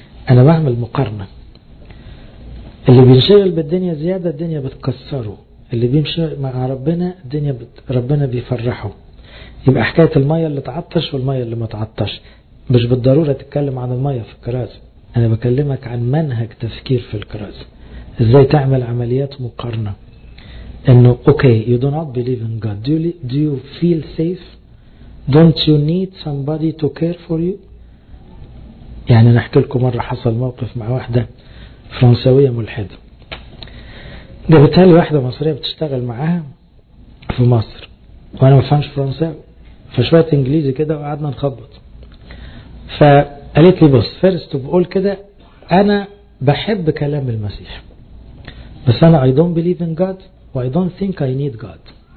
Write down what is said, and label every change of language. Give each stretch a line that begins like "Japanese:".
Arabic: انا بعمل مقارنة، اللي بينشغل بالدنيا زيادة الدنيا بتكسره، اللي بيمشي مع ربنا الدنيا ربنا بيفرحه. يبقى حكاية المية اللي تعطش والمية اللي ما تعطش، مش بالضرورة تتكلم عن المية في الكراسة، انا بكلمك عن منهج تفكير في الكراسة، ازاي تعمل عمليات مقارنة. انه
English: okay you do not believe in God, do you feel safe, don't you need somebody to care for you.
Arabic: يعني نحكي لكم مرة حصل موقف مع واحدة فرنسوية ملحدة، جابتها لي واحدة مصرية بتشتغل معاها في مصر وانا ما فهمش فرنساوي، فشوية انجليزي كده وقعدنا نخبط. فقالت لي بص فرست بقول كده انا بحب كلام المسيح بس انا
English: I don't believe in God I don't think I need God.